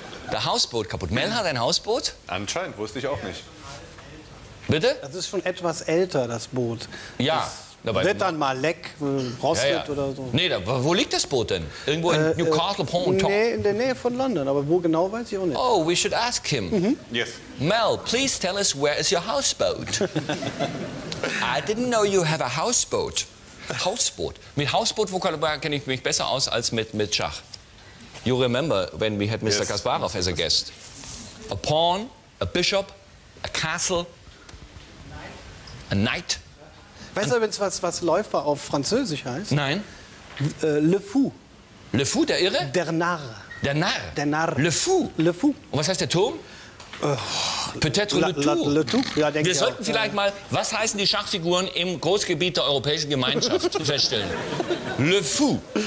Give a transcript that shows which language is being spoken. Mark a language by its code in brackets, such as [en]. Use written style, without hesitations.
[de] Der Hausboot kaputt. Mel hat ein Hausboot? Anscheinend, wusste ich auch nicht. Bitte? Das ist schon etwas älter, das Boot. Ja. Das wird dann mal leck, rostet oder so. Nee, wo liegt das Boot denn? Irgendwo in Newcastle upon Tyne? Nee, in der Nähe von London, aber wo genau weiß ich auch nicht. [en] Oh, we should ask him. Mhm. Yes. Mel, please tell us, where is your houseboat? I didn't know you have a houseboat. Hausboot. [de] Mit Hausboot-Vokabular kenne ich mich besser aus als mit Schach. [en] You remember when we had Mr. Yes. Kasparov as a guest. A pawn, a bishop, a castle, a knight. [de] Weißt du, wenn es was Läufer auf Französisch heißt? Nein. [fr] Le fou. [de] Le fou, der Irre? Der Narr. Der Narr? Der Narr. [fr] Le fou. Le fou. [de] Und was heißt der Turm? [fr] Peut-être le tour. [de] Ja, wir sollten vielleicht mal, was heißen die Schachfiguren im Großgebiet der Europäischen Gemeinschaft, feststellen. Le fou.